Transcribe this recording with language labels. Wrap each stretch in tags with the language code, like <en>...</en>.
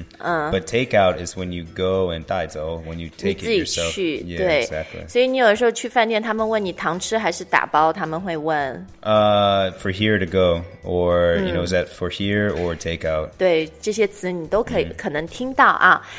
<en>But takeout is when you go and</en> <zh>带走，</zh> <en>when you take it yourself.</en> <zh>你自己去，</zh> <en>yeah,</en> <zh>对。</zh> <en>Exactly.</en> <zh>所以你有时候去饭店，他们问你堂吃还是打包，他们会问。</zh> <en>For here to go, or you know, is that for here or takeout?</en> <zh>对，这些词你都可以可能听到啊。</zh>